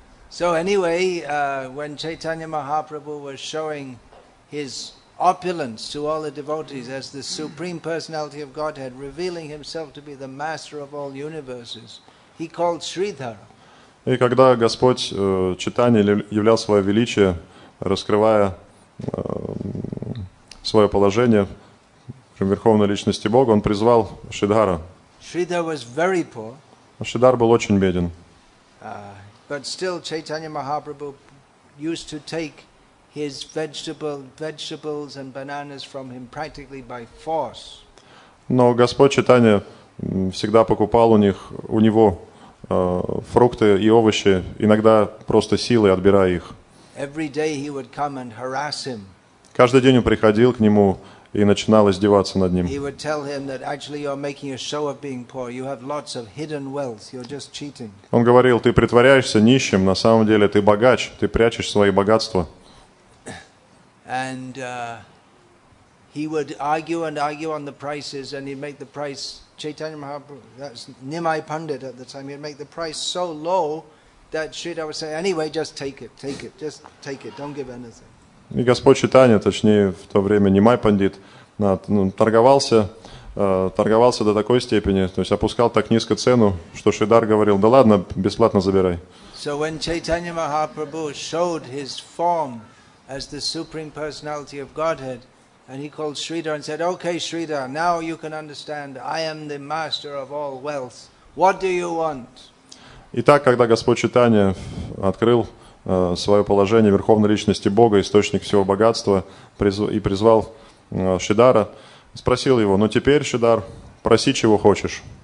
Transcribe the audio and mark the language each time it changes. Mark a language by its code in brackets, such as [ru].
[en] So anyway, when Chaitanya Mahaprabhu was showing his opulence to all the devotees as the Supreme Personality of Godhead, revealing himself to be the master of all universes, he called Sridhar. [ru] И когда Господь Чайтанья являл свое величие, раскрывая свое положение Верховной Личности Бога, он призвал Шридхара. [en] Шридхар was very poor. [ru] Шридхар был очень беден. [en] But still, Chaitanya Mahaprabhu used to take his vegetables and bananas from him practically by force. [ru] Но Господь Чайтанья всегда покупал у него фрукты и овощи, иногда просто силой отбирая их. [en] Every day he would come and harass him. [ru] Каждый день он приходил к нему и начинал издеваться над ним. [en] He would tell him that actually you're making a show of being poor. You have lots of hidden wealth. You're just cheating. [ru] Он говорил: ты притворяешься нищим, на самом деле ты богач, ты прячешь свои богатства. [en] And he would argue on the prices, and he'd make the price. Chaitanya Mahaprabhu, that's Nimai Pandit at the time, he'd make the price so low that Sridhar would say, anyway, just take it, don't give anything. [ru] И Господь Чайтанья, точнее, в то время Нимай Пандит, торговался до такой степени, то есть опускал так низко цену, что Шридхар говорил: да ладно, бесплатно забирай. [en] So when Chaitanya Mahaprabhu showed his form as the Supreme Personality of Godhead, and he called Sridhar and said, okay, Sridhar, now you can understand, I am the master of all wealth. What do you want? [ru] Итак, когда Господь Чайтанья открыл свое положение Верховной Личности Бога, источник всего богатства, и призвал Шридхара, спросил его: ну теперь, Шридхар, проси, чего хочешь.